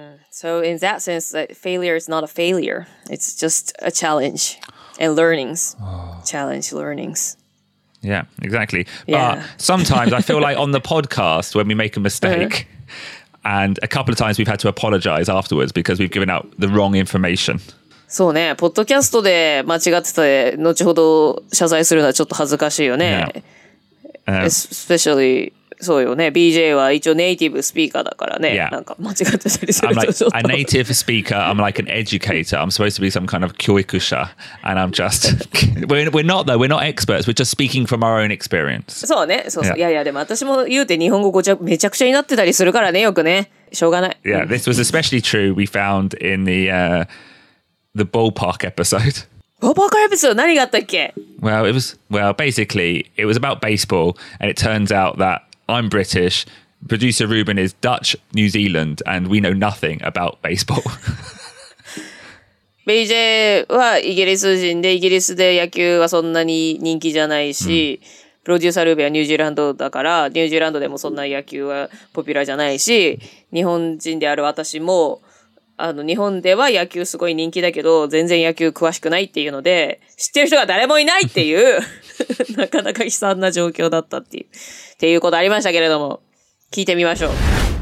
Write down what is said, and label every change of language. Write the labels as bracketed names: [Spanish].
[English] So in that sense, like, failure is not a failure. It's just a challenge and learnings.、Oh. Challenge, learnings. Yeah, exactly. But yeah. sometimes I feel like on the podcast when we make a mistake、uh-huh. and a couple of times we've had to apologize afterwards because we've given out the wrong information. [Japanese] そうね、ポッドキャストで間違ってて後ほど謝罪するのはちょっと恥ずかしいよね。 Especially, そうよね、BJ は一応ネイティブスピーカーだからね。 Yeah. なんか間違ってたりするとちょっと。 [English] I'm like a native speaker, I'm like an educator, I'm supposed to be some kind of 教育者 and I'm just, we're not though, we're not experts, we're just speaking from our own experience. [Japanese] そうね、そうそう、yeah. いやいや、でも私も言うて日本語めちゃくちゃになってたりするからね、よくね、しょうがない。 [English] Yeah, this was especially true, we found in the ballpark episode. [Japanese] Ballpark episode, 何があったっけ? [English] Well, it was, well, basically, it was about baseball, and it turns out that I'm British, producer Ruben is Dutch, New Zealand, and we know nothing about baseball. [Japanese] BJ はイギリス人で、イギリスで野球はそんなに人気じゃないし、プロデューサールーベはニュージーランドだから、ニュージーランドでもそんな野球はポピュラーじゃないし、日本人である私も、あの日本では野球すごい人気だけど全然野球詳しくないっていうので知ってる人が誰もいないっていうなかなか悲惨な状況だったっていうことありましたけれども聞いてみましょう。